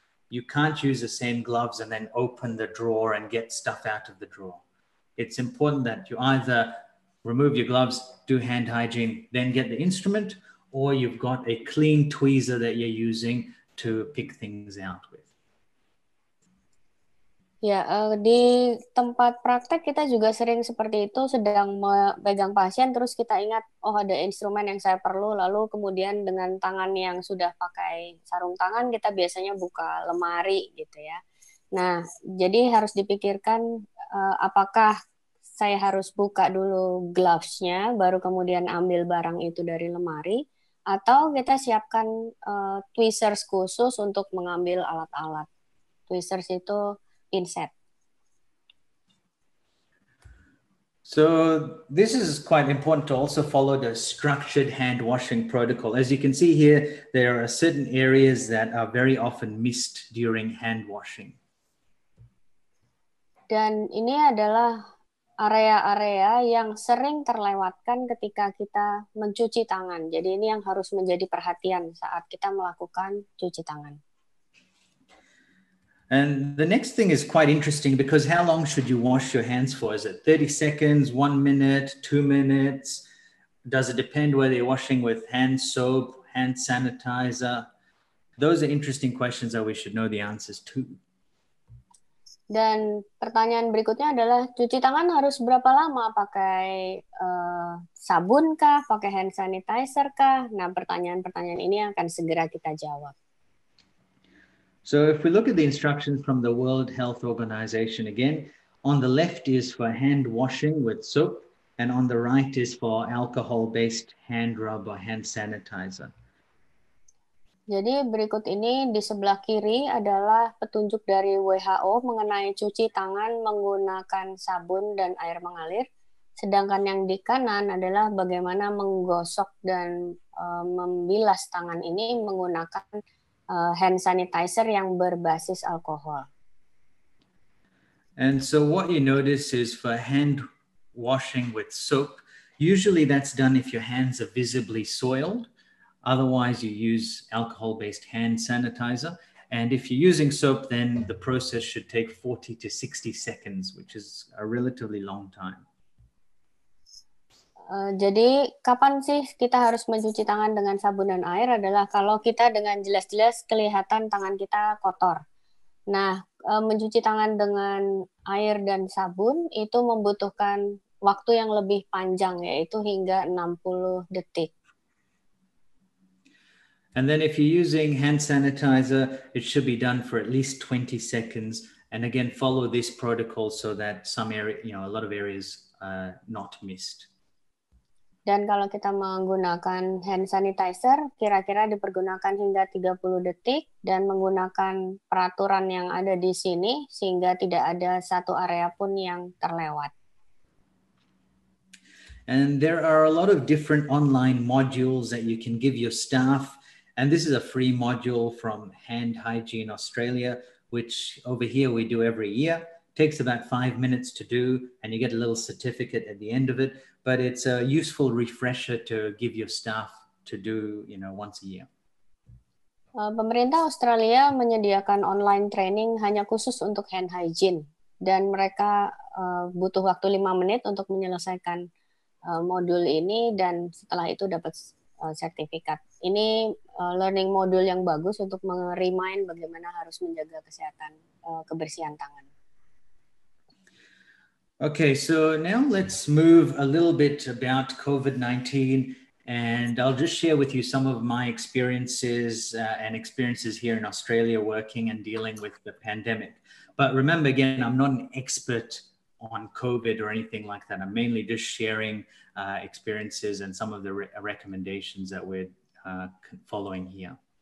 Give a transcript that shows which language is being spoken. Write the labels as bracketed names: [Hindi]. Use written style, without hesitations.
[English] You can't use the same gloves and then open the drawer and get stuff out of the drawer. It's important that you either remove your gloves, do hand hygiene, then get the instrument, or you've got a clean tweezer that you're using to pick things out with. [Indonesian] Ya, di tempat praktek kita juga sering seperti itu, sedang memegang pasien, terus kita ingat, oh ada instrumen yang saya perlu, lalu kemudian dengan tangan yang sudah pakai sarung tangan, kita biasanya buka lemari gitu ya. Nah, jadi harus dipikirkan apakah saya harus buka dulu gloves-nya, baru kemudian ambil barang itu dari lemari, atau kita siapkan tweezers khusus untuk mengambil alat-alat. Tweezers itu inset. [English] So this is quite important to also follow the structured hand washing protocol. As you can see here, there are certain areas that are very often missed during hand washing. [Indonesian] Dan ini adalah area-area yang sering terlewatkan ketika kita mencuci tangan. Jadi ini yang harus menjadi perhatian saat kita melakukan cuci tangan. [English] And the next thing is quite interesting because how long should you wash your hands for? Is it 30 seconds, 1 minute, 2 minutes? Does it depend whether you're washing with hand soap, hand sanitizer? Those are interesting questions that we should know the answers to. [Indonesian] Dan pertanyaan berikutnya adalah cuci tangan harus berapa lama? Pakai sabun kah? Pakai hand sanitizer kah? Nah, pertanyaan-pertanyaan ini akan segera kita jawab. [English] So if we look at the instructions from the World Health Organization again, on the left is for hand washing with soap, and on the right is for alcohol-based hand rub or hand sanitizer. [Indonesian] Jadi berikut ini di sebelah kiri adalah petunjuk dari WHO mengenai cuci tangan menggunakan sabun dan air mengalir, sedangkan yang di kanan adalah bagaimana menggosok dan membilas tangan ini menggunakan hand sanitizer yang berbasis alkohol. [English] And so what you notice is for hand washing with soap, usually that's done if your hands are visibly soiled. Otherwise, you use alcohol-based hand sanitizer. And if you're using soap, then the process should take 40 to 60 seconds, which is a relatively long time. [Indonesian] Jadi kapan sih kita harus mencuci tangan dengan sabun dan air adalah kalau kita dengan jelas-jelas kelihatan tangan kita kotor. Nah, mencuci tangan dengan air dan sabun itu membutuhkan waktu yang lebih panjang, yaitu hingga 60 detik. [English] And then if you're using hand sanitizer, it should be done for at least 20 seconds. And again, follow this protocol so that some area, you know, a lot of areas are not missed. [Indonesian] Dan kalau kita menggunakan hand sanitizer, kira-kira dipergunakan hingga 30 detik dan menggunakan peraturan yang ada di sini sehingga tidak ada satu area pun yang terlewat. [English] And there are a lot of different online modules that you can give your staff. And this is a free module from Hand Hygiene Australia, which over here we do every year. takes about 5 minutes to do, and you get a little certificate at the end of it, but it's a useful refresher to give your staff to do, you know, once a year. [Indonesian] Pemerintah Australia menyediakan online training hanya khusus untuk hand hygiene, dan mereka butuh waktu 5 menit untuk menyelesaikan modul ini, dan setelah itu dapat sertifikat. Ini learning modul yang bagus untuk meremind bagaimana harus menjaga kesehatan, kebersihan tangan. [English] Okay, so now let's move a little bit about COVID-19, and I'll just share with you some of my experiences and experiences here in Australia working and dealing with the pandemic. But remember, again, I'm not an expert on COVID or anything like that. I'm mainly just sharing experiences and some of the recommendations that we're following here.